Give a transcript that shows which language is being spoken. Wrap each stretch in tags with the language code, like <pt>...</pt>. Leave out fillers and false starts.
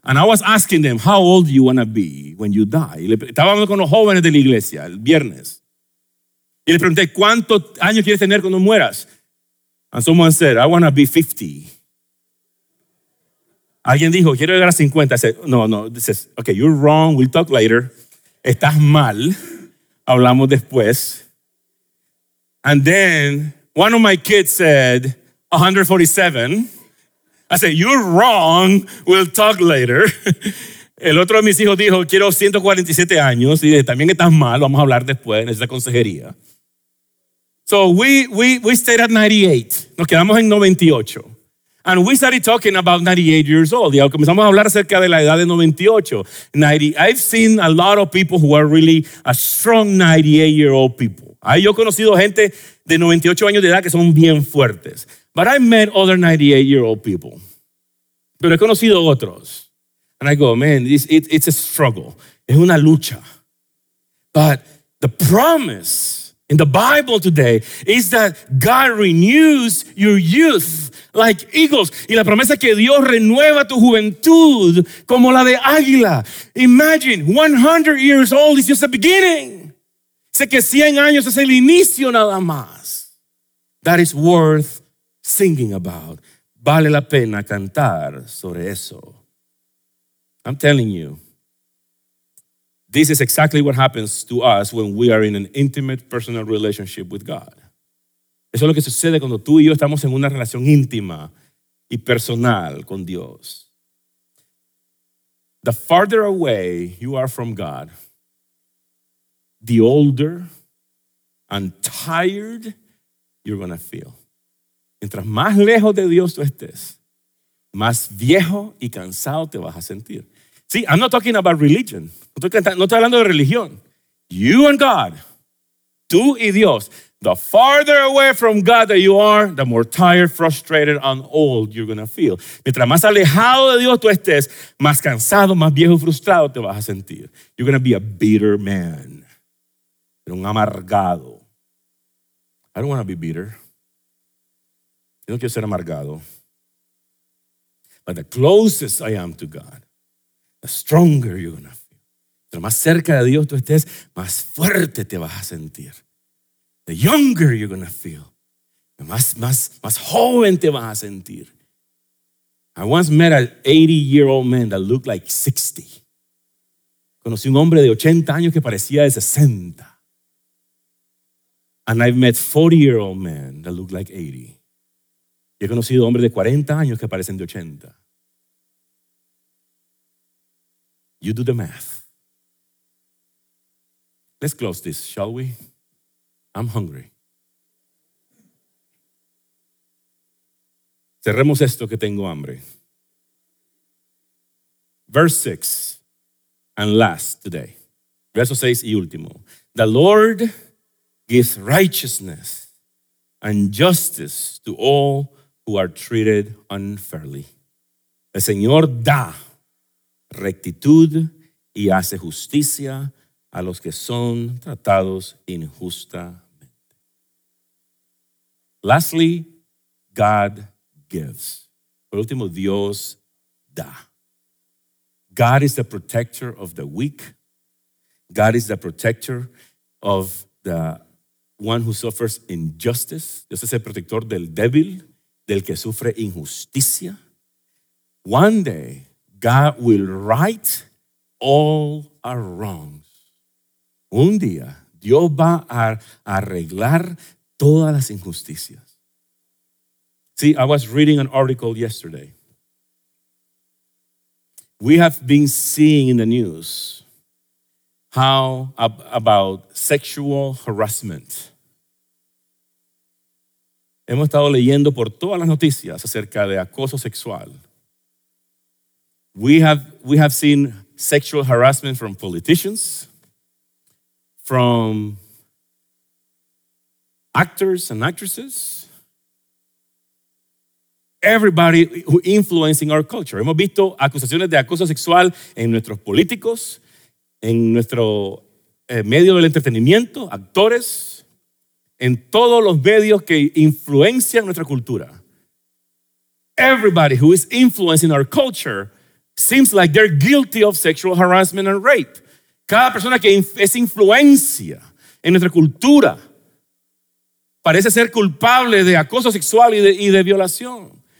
<en>And I was asking them, how old do you want to be when you die?</en> <es>Estaba hablando con los jóvenes de la iglesia el viernes. Y les pregunté, ¿cuántos años quieres tener cuando mueras?</es> <en>And someone said, I want to be 50.</en> <es>Alguien dijo, quiero llegar a 50.</es> <en>I said, no. This is, okay, you're wrong. We'll talk later.</en> <es>Estás mal. Hablamos después.</es> <en>And then one of my kids said, 147. I said, you're wrong. We'll talk later.</en> <es>El otro de mis hijos dijo, quiero 147 años. Y dije, también estás mal. Vamos a hablar después. Necesitas consejería.</es> <en>So we stayed at 98.</en> <es>Nos quedamos en 98.</es> <en>And we started talking about 98 years old.</en> <es>Y comenzamos a hablar acerca de la edad de 98.</es> <en>90, I've seen a lot of people who are really a strong 98-year-old people.</en> <es>Yo he conocido gente de 98 años de edad que son bien fuertes.</es> <en>But I met other 98-year-old people.</en> <es>Pero he conocido otros.</es> <en>And I go, man, it's a struggle.</en> <es>Es una lucha.</es> <en>But the promise in the Bible today is that God renews your youth like eagles.</en> <es>Y la promesa es que Dios renueva tu juventud como la de águila.</es> <en>Imagine, 100 years old is just the beginning.</en> <es>Sé que 100 años es el inicio nada más.</es> <en>That is worth singing about.</en> <es>Vale la pena cantar sobre eso.</es> <en>I'm telling you. This is exactly what happens to us when we are in an intimate personal relationship with God.</en> <es>Eso es lo que sucede cuando tú y yo estamos en una relación íntima y personal con Dios.</es> <en>the farther away you are from God, the older and tired you're gonna feel.</en> <es>Mientras más lejos de Dios tú estés, más viejo y cansado te vas a sentir.</es> <en>See, I'm not talking about religion.</en> <es>No estoy hablando de religión.</es> <en>You and God,</en> <es>tú y Dios,</es> <en>the farther away from God that you are, the more tired, frustrated, and old you're gonna feel.</en> <es>Mientras más alejado de Dios tú estés, más cansado, más viejo y frustrado te vas a sentir.</es> <en>You're gonna be a bitter man.</en> <es>Un amargado.</es> <en>I don't want to be bitter.</en> <es>Yo no quiero ser amargado.</es> <en>But the closest I am to God, the stronger you're going to feel.</en> <es>Pero más cerca de Dios tú estés, más fuerte te vas a sentir.</es> <en>The younger you're going to feel, the</en> <es>más joven te vas a sentir.</es> <en>I once met an 80-year-old man that looked like 60.</en> <es>Conocí un hombre de 80 años que parecía de 60.</es> <en>And I've met 40-year-old men that look like 80.</en> <es>Y he conocido hombres de 40 años que parecen de 80.</es> <en>You do the math. Let's close this, shall we? I'm hungry.</en> <es>Cerremos esto que tengo hambre.</es> <en>Verse 6 and last today.</en> <es>Verso 6 y último.</es> <en>The Lord gives righteousness and justice to all who are treated unfairly.</en> <es>El Señor da rectitud y hace justicia a los que son tratados injustamente.</es> <en>Lastly, God gives.</en> <es>Por último, Dios da.</es> <en>God is the protector of the weak. God is the protector of the one who suffers injustice.</en> <es>Dios es el protector del débil, del que sufre injusticia.</es> <en>One day, God will right all our wrongs.</en> <es>Un día, Dios va a arreglar todas las injusticias.</es> <en>See, I was reading an article yesterday. We have been seeing in the news how about sexual harassment.</en> <es>Hemos estado leyendo por todas las noticias acerca de acoso sexual.</es> <en>We have seen sexual harassment from politicians, from actors and actresses, everybody who influencing our culture.</en> <es>Hemos visto acusaciones de acoso sexual en nuestros políticos, en nuestro medio del entretenimiento, actores, en todos los medios que influencian nuestra cultura.</es> <en>Everybody who is influencing our culture seems like they're guilty of sexual harassment and rape.</en> <es>Cada persona que es influencia en nuestra cultura parece ser culpable de acoso sexual y de violación.</es>